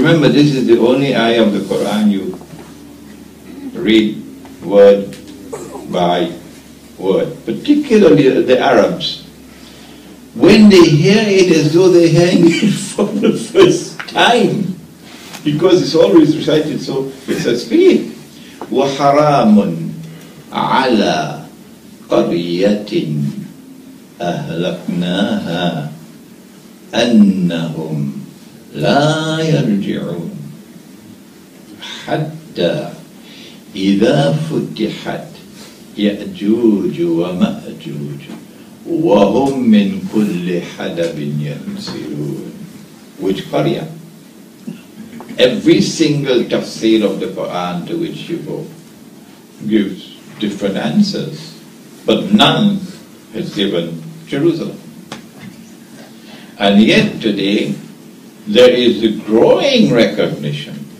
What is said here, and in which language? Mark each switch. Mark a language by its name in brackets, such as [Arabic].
[English] Remember, this is the only ayah of the Quran you read word by word. Particularly the Arabs. When they hear it as though they're hearing it for the first time. Because it's always recited so with such speed. [Arabic] وَحَرَامٌ عَلَى قَرِيَةٍ أهلكناها أنهم لا يرجعون حتى إذا فتحت يأجوج ومأجوج وهم من كل حدب ينسلون. [English] Which Qariya? Every single tafsir of the Quran to which you go gives different answers, but none has given Jerusalem. And yet today, there is a growing recognition